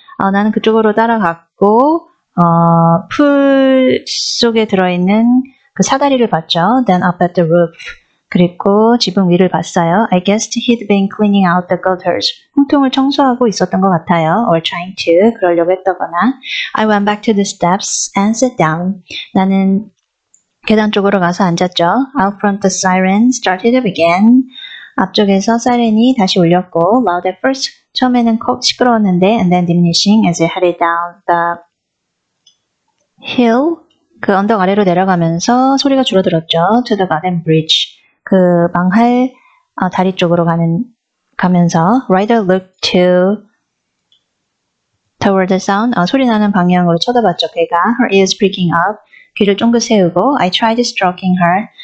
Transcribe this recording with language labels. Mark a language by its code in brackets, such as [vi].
[ko] 나는 그쪽으로 따라갔고 풀 속에 들어있는 그 사다리를 봤죠. [en] Then up at the roof. [ko] 그리고 지붕 위를 봤어요. [en] I guessed he'd been cleaning out the gutters. [ko] 흙통을 청소하고 있었던 것 같아요. [en] Or trying to. [ko] 그러려고 했다거나. [en] I went back to the steps and sat down. [ko] 나는 계단 쪽으로 가서 앉았죠. [en] Out front the siren started up again. [ko] 앞쪽에서 사이렌이 다시 울렸고. [en] Loud at first. [ko] 처음에는 콕 시끄러웠는데. [en] And then diminishing as it headed down the hill. [ko] 그 언덕 아래로 내려가면서 소리가 줄어들었죠. [en] To the garden bridge. [ko] 그 망할 다리 쪽으로 가면서 [en] Rider looked toward the sound. [ko] 소리 나는 방향으로 쳐다봤죠. 걔가 [en] her ears pricking up. [ko] 귀를 쫑긋 세우고 [en] I tried stroking her.